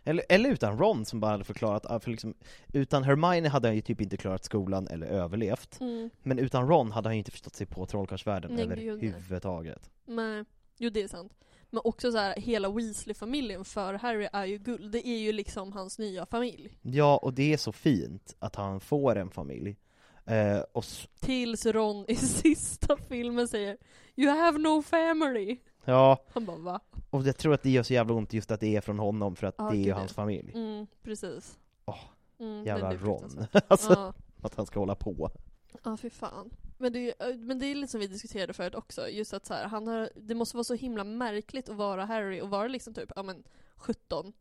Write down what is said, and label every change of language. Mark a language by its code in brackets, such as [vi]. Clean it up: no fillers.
[sv] Eller utan Ron som bara hade förklarat. För liksom, utan Hermione hade han ju typ inte klarat skolan eller överlevt. Mm. Men utan Ron hade han ju inte förstått sig på trollkarlsvärlden överhuvudtaget. Nej, jo, det är sant. Men också så här, hela Weasley-familjen för Harry är ju guld. Det är ju liksom hans nya familj. Ja, och det är så fint att han får en familj. Tills Ron i sista filmen säger [en] you have no family. [sv] Ja. Han bara, va? Och jag tror att det gör så jävla ont just att det är från honom, för att det är ju hans familj. Mm, precis. Oh, jävla Ron. Alltså, att han ska hålla på. Ja, fy fan. Men det är lite som vi diskuterade förut också. Just att så här, det måste vara så himla märkligt att vara Harry och vara liksom typ, ja, men 17.